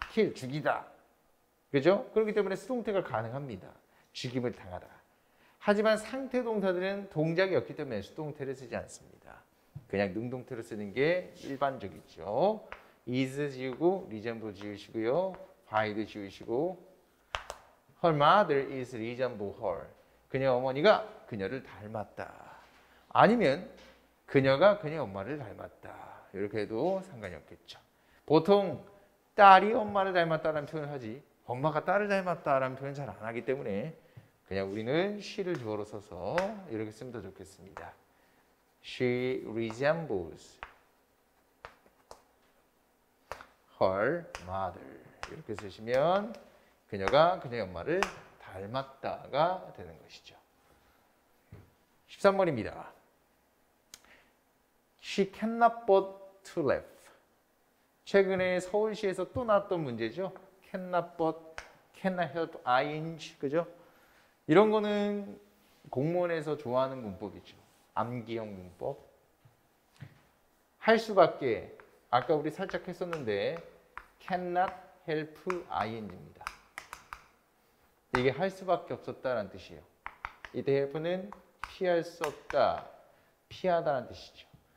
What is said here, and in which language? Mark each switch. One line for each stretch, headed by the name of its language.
Korean: kill, 죽이다. 그렇죠? 그렇기 때문에 수동태가 가능합니다. 죽임을 당하다. 하지만 상태 동사들은 동작이 없기 때문에 수동태를 쓰지 않습니다. 그냥 능동태를 쓰는 게 일반적이죠. is 지우고 resemble 지우시고요. by도 지우시고
English: her mother is resemble her.
Korean: 그녀 어머니가 그녀를 닮았다. 아니면 그녀가 그녀 엄마를 닮았다. 이렇게 해도 상관이 없겠죠. 보통 딸이 엄마를 닮았다라는 표현을 하지 엄마가 딸을 닮았다라는 표현을 잘 안 하기 때문에 그냥 우리는 she를 주어로 써서 이렇게 쓰면 더 좋겠습니다.
English: She resembles her mother.
Korean: 이렇게 쓰시면 그녀가 그녀의 엄마를 닮았다가 되는 것이죠. 13번입니다.
English: She cannot but to laugh.
Korean: 최근에 서울시에서 또 나왔던 문제죠.
English: Cannot but, cannot help ing.
Korean: 그죠? 이런 거는 공무원에서 좋아하는 문법이죠. 암기형 문법. 할 수밖에, 아까 우리 살짝 했었는데
English: cannot help ing
Korean: 입니다. 이게 할 수밖에 없었다라는 뜻이에요. 이때 help는 피할 수 없다, 피하다라는 뜻이죠.